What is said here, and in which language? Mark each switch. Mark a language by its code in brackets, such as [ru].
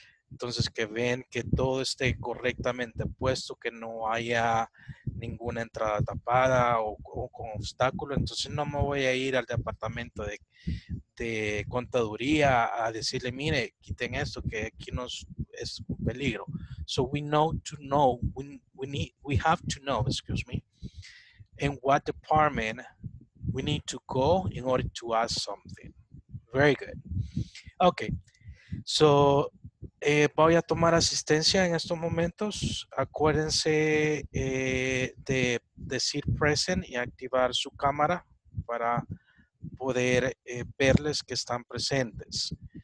[es] Entonces que ven que todo esté correctamente puesto, que no haya ninguna entrada tapada o con obstáculo. Entonces no me voy a ir al departamento de contaduría a decirle, mire, quiten esto que aquí nos es un peligro. [en] So we have to know, in what department we need to go in order to ask something. Very good. [es] Okay, so voy a tomar asistencia en estos momentos. Acuérdense de decir present y activar su cámara para poder verles que están presentes.